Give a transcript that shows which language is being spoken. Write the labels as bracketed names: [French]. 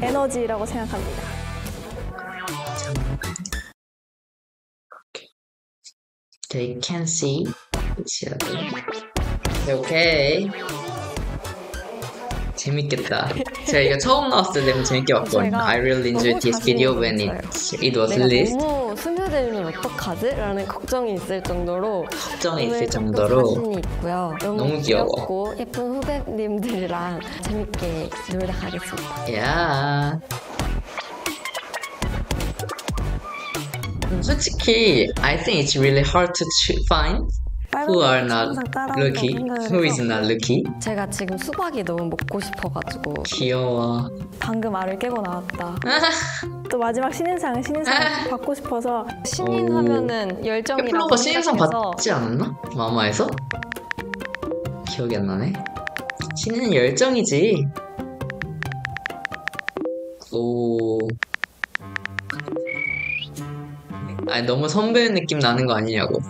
[Korean] 에너지라고 생각합니다. 잠깐. [English] They can see. [Korean] 시작해. [English] Okay. Okay. [Korean] 재밌겠다. 제가 이거 처음 나왔을 때는 재밌게 봤거든요. [English] I really enjoyed this video when it was released. [Korean] 너무 스며들면 어떡하지? 라는 걱정이 있을 정도로 걱정이 있을 정도로 자신이 있고요. 너무 귀여워. 귀엽고 예쁜 후배님들이랑 재밌게 놀다 가겠습니다. 야. [English] Yeah. [Korean] 솔직히 [English] I think it's really hard to find Who are not lucky? Who is not lucky? [Korean] 제가 지금 수박이 너무 먹고 싶어가지고 귀여워 방금 알을 깨고 나왔다 또 마지막 신인상 받고 싶어서 신인 하면은 열정이라고 플로버 신인상 받지 않았나? 마마에서? 기억이 안 나네 신인은 열정이지 오 아니 너무 선배 느낌 나는 거 아니냐고